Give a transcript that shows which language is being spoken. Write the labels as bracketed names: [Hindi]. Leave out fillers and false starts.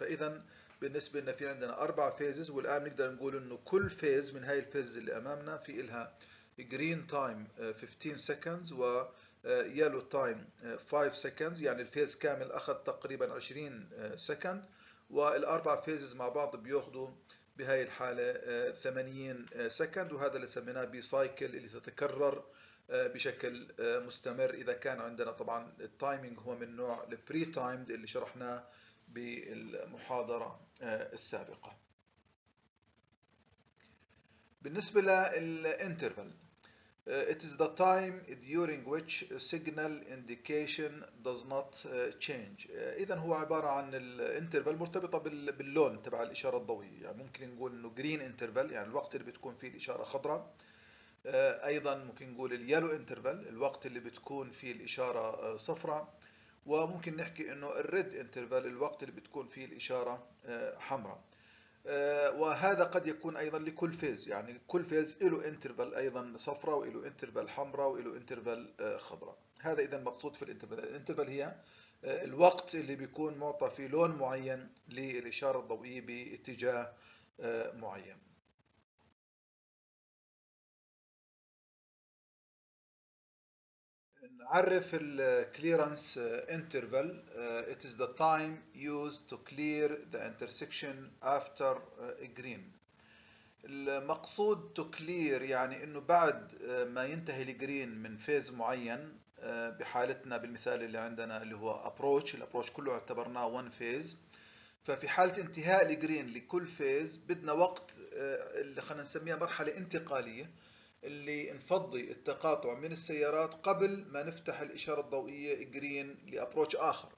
[Arabic] فاذا بالنسبة لنا في عندنا أربع فيزز، والآن نقدر نقول إنه كل فيز من هاي الفيز اللي أمامنا في إلها [English] green time 15 seconds [Arabic] و [English] yellow time 5 seconds، [Arabic] يعني الفيز كامل أخذ تقريبا 20 second، والأربع فيزز مع بعض بياخذوا بهاي الحالة 80 second، وهذا اللي سميناه بي سايكل اللي تتكرر بشكل مستمر إذا كان عندنا. طبعا التايمينج هو من نوع البري تايمد اللي شرحناه بالمحاضرة السابقة. بالنسبة للانترفال، [English] it is the time during which signal indication does not change. [Arabic] إذا هو عبارة عن الانترفال مرتبطة باللون تبع الإشارة الضوئية، يعني ممكن نقول إنه green interval يعني الوقت اللي بتكون فيه الإشارة خضراء، أيضا ممكن نقول اليالو interval الوقت اللي بتكون فيه الإشارة صفراء، وممكن نحكي انه الريد انترفال الوقت اللي بتكون فيه الاشاره حمراء. وهذا قد يكون ايضا لكل فيز، يعني كل فيز له انترفال ايضا صفراء وله انترفال حمراء وله انترفال خضراء. هذا اذا مقصود في الانترفال. الانترفال هي الوقت اللي بيكون معطى فيه لون معين للاشاره الضوئيه باتجاه معين. نعرف الـ clearance interval. [English] It is the time used to clear the intersection after green. [Arabic] المقصود to clear يعني إنه بعد ما ينتهي الجرين من فيز معين، بحالتنا بالمثال اللي عندنا اللي هو approach، الابروش كله اعتبرناه one phase. ففي حالة انتهاء الجرين لكل فيز بدنا وقت اللي خلينا نسميها مرحلة انتقالية، اللي نفضي التقاطع من السيارات قبل ما نفتح الإشارة الضوئية جرين لأبروتش آخر.